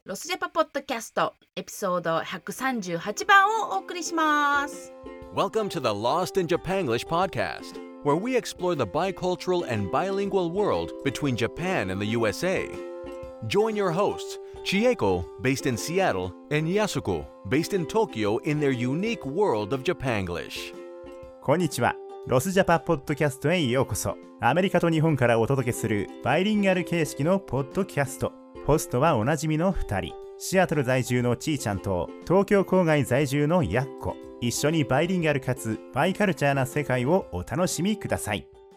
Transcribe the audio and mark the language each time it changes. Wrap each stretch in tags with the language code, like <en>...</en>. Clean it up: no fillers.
<ja>ロスジャパポッドキャスト、エピソード138番をお送りします。</ja> <en>Welcome to the Lost in Japan English Podcast, where we explore the bicultural and bilingual world between Japan and the USA. Join your hosts, Chieko, based in Seattle, and Yasuko, based in Tokyo, in their unique world of Japanglish.</en> <ja>こんにちは。ロスジャパポッドキャストへようこそ。アメリカと日本からお届けするバイリンガル形式のポッドキャスト。ホストはおなじみの2人、シアトル在住のちーちゃんと東京郊外在住のやっこ。一緒にバイリンガルかつバイカルチャーな世界をお楽しみください。</ja>